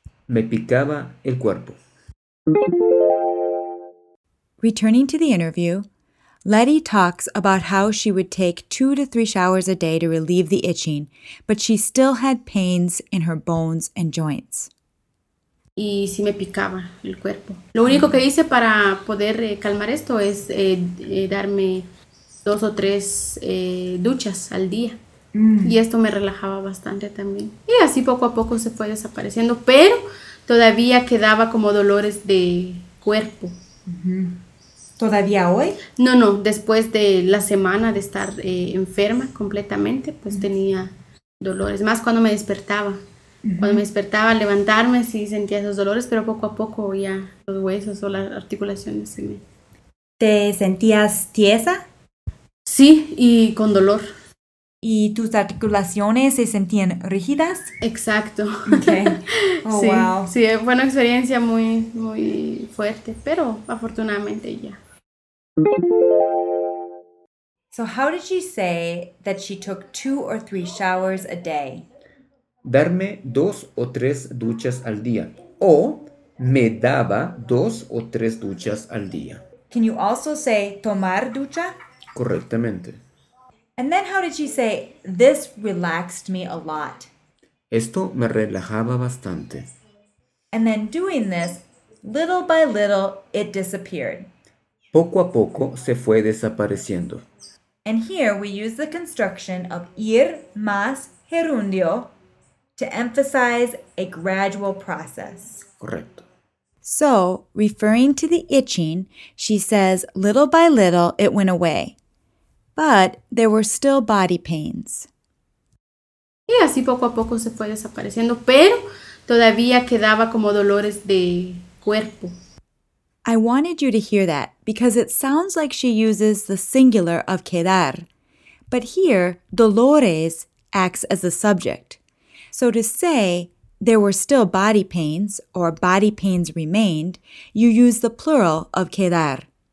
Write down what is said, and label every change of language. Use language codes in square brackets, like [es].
[es] Me picaba el cuerpo. [en] Returning to the interview, Letty talks about how she would take 2 to 3 showers a day to relieve the itching, but she still had pains in her bones and joints. [es] Y sí me picaba el cuerpo. Lo único que hice para poder calmar esto es darme 2 o 3 duchas al día. Y esto me relajaba bastante también. Y así poco a poco se fue desapareciendo, pero todavía quedaba como dolores de cuerpo. ¿Todavía hoy? No, después de la semana de estar enferma completamente, pues tenía dolores. Más cuando me despertaba. Cuando me despertaba, levantarme, sí sentía esos dolores, pero poco a poco ya los huesos o las articulaciones se me... ¿Te sentías tiesa? Sí, y con dolor. ¿Y tus articulaciones se sentían rígidas? Exacto. Okay. Oh, sí, wow. Sí, fue una experiencia muy, muy fuerte, pero afortunadamente ya. [en] So how did she say that she took 2 or 3 showers a day? [es] Darme 2 o 3 duchas al día. O me daba 2 o 3 duchas al día. [en] Can you also say [es] tomar ducha? Correctamente. [en] And then how did she say, this relaxed me a lot? [es] Esto me relajaba bastante. [en] And then doing this, little by little, it disappeared. [es] Poco a poco se fue desapareciendo. [en] And here we use the construction of [es] ir más gerundio [en] to emphasize a gradual process. [es] Correcto. [en] So, referring to the itching, she says, little by little, it went away. But there were still body pains. [es] Y así poco a poco se fue desapareciendo, pero todavía quedaba como dolores de cuerpo. [en] I wanted you to hear that because it sounds like she uses the singular of quedar. But here, dolores acts as the subject. So to say there were still body pains or body pains remained, you use the plural of quedar.